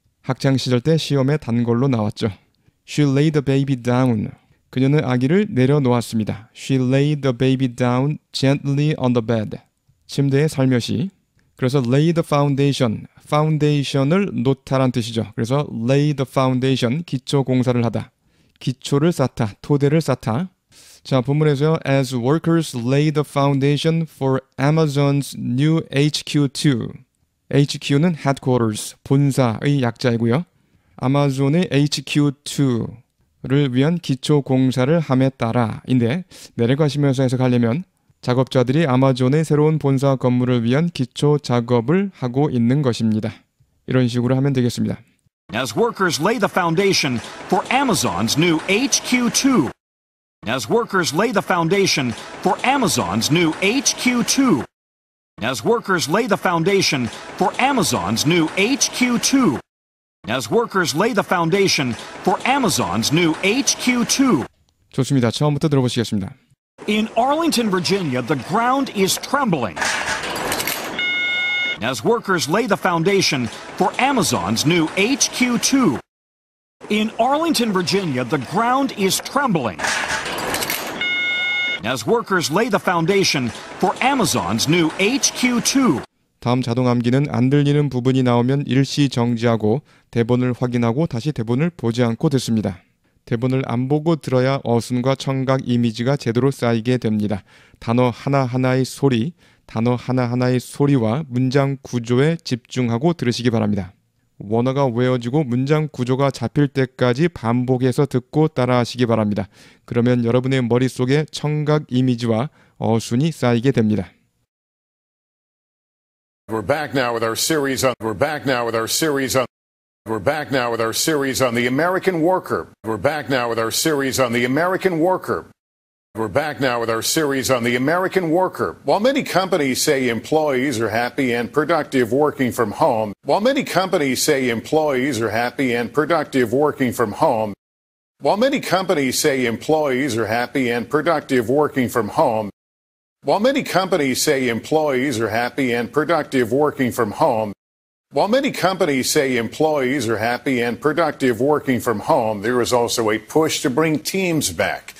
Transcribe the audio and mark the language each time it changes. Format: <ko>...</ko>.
<ko>학창시절 때 시험에 단골로 나왔죠.</ko> <en>She laid the baby down.</en> <ko>그녀는 아기를 내려놓았습니다.</ko> <en>She laid the baby down gently on the bed.</en> <ko>침대에 살며시. 그래서</ko> <en>lay the foundation.</en> <ko>foundation을 놓다란 뜻이죠. 그래서</ko> <en>lay the foundation,</en> <ko>기초 공사를 하다. 기초를 쌓다, 토대를 쌓다. 자, 본문에서요.</ko> <en>As workers lay the foundation for Amazon's new HQ2.</en> <ko>HQ는 headquarters, 본사의 약자이고요. 아마존의 HQ2를 위한 기초 공사를 함에 따라인데 내려가시면서 해석하려면 작업자들이 아마존의 새로운 본사 건물을 위한 기초 작업을 하고 있는 것입니다. 이런 식으로 하면 되겠습니다.</ko> <en>As workers lay the foundation for Amazon's new HQ2. As workers lay the foundation for Amazon's new HQ2. As workers lay the foundation for Amazon's new HQ2. As workers lay the foundation for Amazon's new HQ2.</en> <ko>좋습니다. 처음부터 들어보시겠습니다.</ko> <en>In Arlington, Virginia, the ground is trembling. As workers lay the foundation for Amazon's new HQ2. In Arlington, Virginia, the ground is trembling. As workers lay the foundation for Amazon's new HQ2.</en> <ko>다음 자동 암기는 안 들리는 부분이 나오면 일시 정지하고 대본을 확인하고 다시 대본을 보지 않고 듣습니다. 대본을 안 보고 들어야 어순과 청각 이미지가 제대로 쌓이게 됩니다. 단어 하나하나의 소리, 단어 하나하나의 소리와 문장 구조에 집중하고 들으시기 바랍니다. 원어가 외워지고 문장 구조가 잡힐 때까지 반복해서 듣고 따라하시기 바랍니다. 그러면 여러분의 머릿속에 청각 이미지와 어순이 쌓이게 됩니다.</ko> <en>We're back now with our series on We're back now with our series on We're back now with our series on the American worker. We're back now with our series on the American worker. We're back now with our series on the American worker. While many companies say employees are happy and productive working from home, while many companies say employees are happy and productive working from home, while many companies say employees are happy and productive working from home, while many companies say employees are happy and productive working from home, while many companies say employees are happy and productive working from home, there is also a push to bring teams back.</en>